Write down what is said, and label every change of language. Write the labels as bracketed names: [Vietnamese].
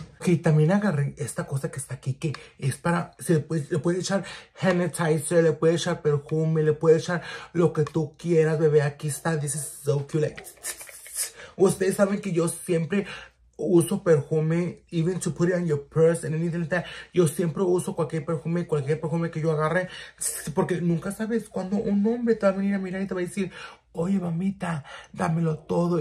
[Spanish] Okay, también agarré esta cosa que está aquí, que es para, se le puede echar sanitizer, le puede echar perfume, le puede echar lo que tú quieras, bebé. Aquí está, [English] this is so cute. [Spanish] Ustedes saben que yo siempre uso perfume, [English] even to put it on your purse and anything like that. [Spanish] Yo siempre uso cualquier perfume que yo agarre, porque nunca sabes cuándo un hombre te va a venir a mirar y te va a decir, oye, mamita, dámelo todo.